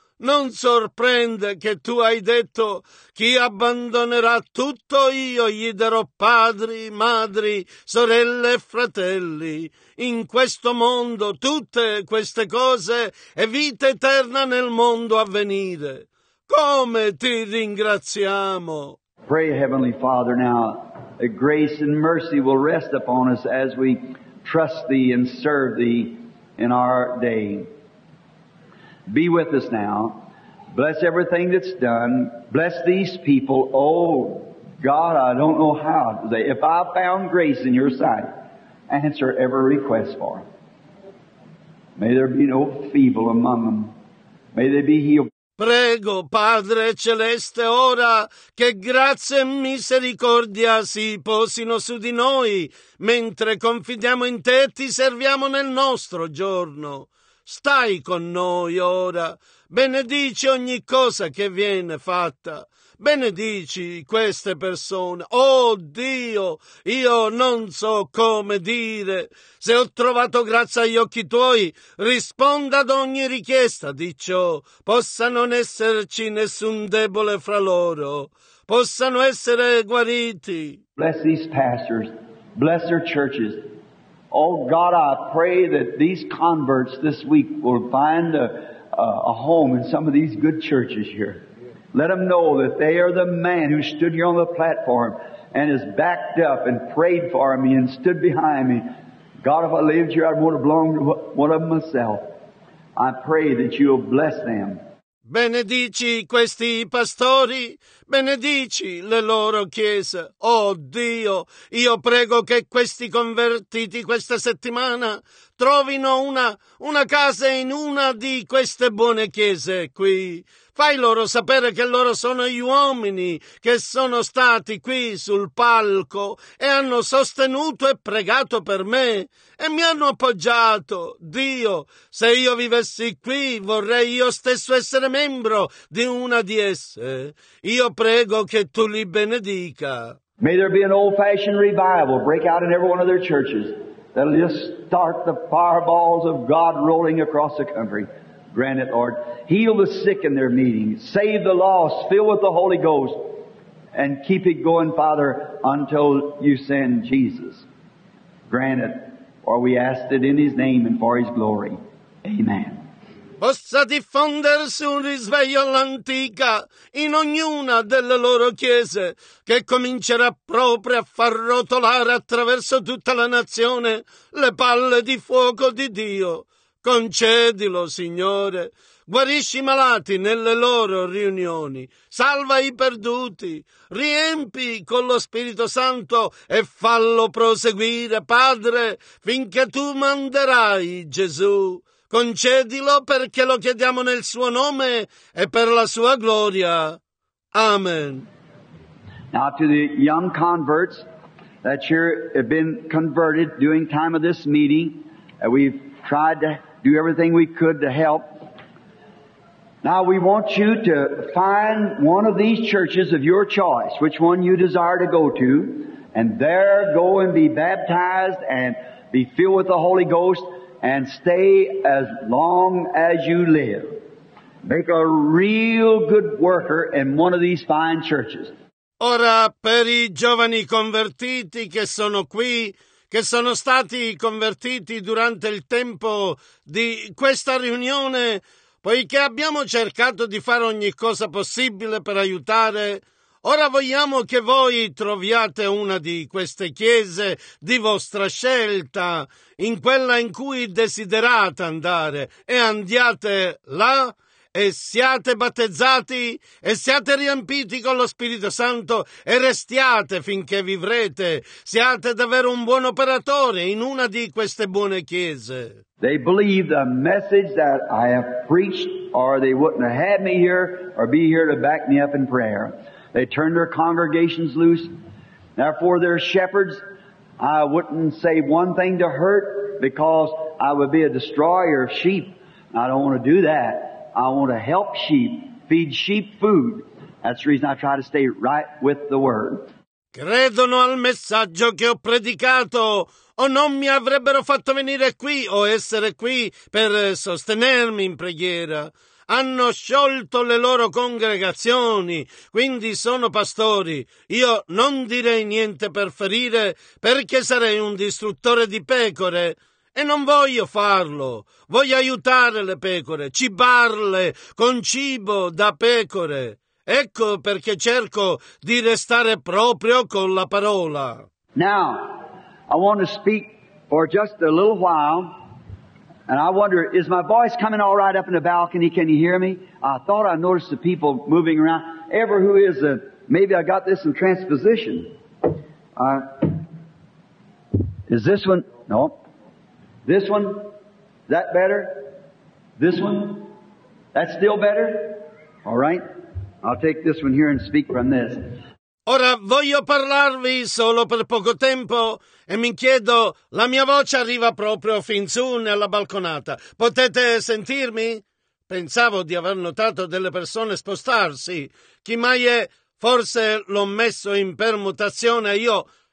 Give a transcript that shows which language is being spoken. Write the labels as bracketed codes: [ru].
[it] Non sorprende che tu hai detto: chi abbandonerà tutto, io gli darò padri, madri, sorelle e fratelli. In questo mondo tutte queste cose e vita eterna nel mondo a venire. Come ti ringraziamo! [en] Pray, Heavenly Father, now that grace and mercy will rest upon us as we trust thee and serve thee in our day. Be with us now. Bless everything that's done. Bless these people. Oh, God, I don't know how. If I found grace in your sight, answer every request for them. May there be no feeble among them. May they be healed. [it] Prego, Padre Celeste, ora che grazia e misericordia si posino su di noi, mentre confidiamo in te e ti serviamo nel nostro giorno. Stai con noi ora, benedici ogni cosa che viene fatta, benedici queste persone. Oh Dio, io non so come dire, se ho trovato grazia agli occhi tuoi, risponda ad ogni richiesta di ciò, possa non esserci nessun debole fra loro, possano essere guariti. [en] Bless these pastors, bless their churches. Oh, God, I pray that these converts this week will find a home in some of these good churches here. Let them know that they are the man who stood here on the platform and has backed up and prayed for me and stood behind me. God, if I lived here, I would have belonged to one of them myself. I pray that you will bless them. [it] Benedici questi pastori, benedici le loro chiese. Oh Dio, io prego che questi convertiti questa settimana trovino una casa in una di queste buone chiese qui. Fai loro sapere che loro sono gli uomini che sono stati qui sul palco e hanno sostenuto e pregato per me e mi hanno appoggiato. Dio, se io vivessi qui, vorrei io stesso essere membro di una di esse. Io prego che tu li benedica. [en] May there be an old-fashioned revival break out in every one of their churches that'll just start the fireballs of God rolling across the country. Grant it, Lord. Heal the sick in their meetings. Save the lost. Fill with the Holy Ghost. And keep it going, Father, until you send Jesus. Grant it, for we ask it in His name and for His glory. Amen. [it] possa diffondersi un risveglio all'antica in ognuna delle loro chiese, che comincerà proprio a far rotolare attraverso tutta la nazione le palle di fuoco di Dio. Concedilo, Signore. Guarisci i malati nelle loro riunioni, salva i perduti, riempi con lo Spirito Santo e fallo proseguire, Padre, finché tu manderai Gesù. Concedilo perché lo chiediamo nel suo nome e per la sua gloria. Amen. [en] Now to the young converts that you've been converted during time of this meeting, we've tried to do everything we could to help. Now we want you to find one of these churches of your choice, which one you desire to go to, and there go and be baptized and be filled with the Holy Ghost and stay as long as you live. Make a real good worker in one of these fine churches. [it] Ora, per i giovani convertiti che sono qui, che sono stati convertiti durante il tempo di questa riunione, poiché abbiamo cercato di fare ogni cosa possibile per aiutare, ora vogliamo che voi troviate una di queste chiese di vostra scelta, in quella in cui desiderate andare, e andiate là e siate battezzati e siate riempiti con lo Spirito Santo e restiate finché vivrete. Siate davvero un buon operatore in una di queste buone chiese. [en] They believe the message that I have preached, or they wouldn't have had me here or be here to back me up in prayer. They turned their congregations loose. Therefore, their shepherds, I wouldn't say one thing to hurt, because I would be a destroyer of sheep. I don't want to do that. I want to help sheep, feed sheep food. That's the reason I try to stay right with the Word. [it] Credono al messaggio che ho predicato, o non mi avrebbero fatto venire qui o essere qui per sostenermi in preghiera. Hanno sciolto le loro congregazioni, quindi sono pastori. Io non direi niente per ferire, perché sarei un distruttore di pecore. E non voglio farlo. Voglio aiutare le pecore, cibarle con cibo da pecore. Ecco perché cerco di restare proprio con la parola. [en] Now, I want to speak for just a little while, and I wonder, is my voice coming all right up in the balcony? Can you hear me? I thought I noticed the people moving around. Ever who is it? Maybe I got this in transposition. Is this one? No. This one? Is that better? This one? That's still better? All right. I'll take this one here and speak from this. [it] Ora voglio parlarvi solo per poco tempo e mi chiedo, la mia voce arriva proprio fin su nella balconata. Potete sentirmi? Pensavo di aver notato delle persone spostarsi. Chi mai è? Forse l'ho messo in permutazione io.